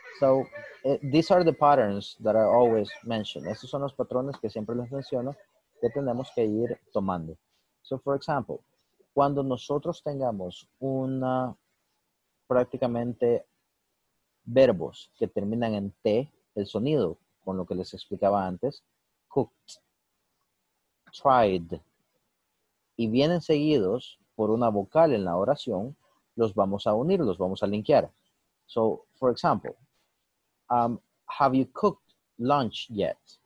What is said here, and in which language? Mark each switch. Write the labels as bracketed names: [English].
[English] So, these are the patterns that I always mention. [Spanish] Estos son los patrones que siempre les menciono que tenemos que ir tomando. [English] So, for example, [Spanish] cuando nosotros tengamos una, prácticamente, verbos que terminan en T, el sonido, con lo que les explicaba antes, cooked, tried, y vienen seguidos por una vocal en la oración, los vamos a unir, los vamos a linkear. [English] So, for example, have you cooked lunch yet?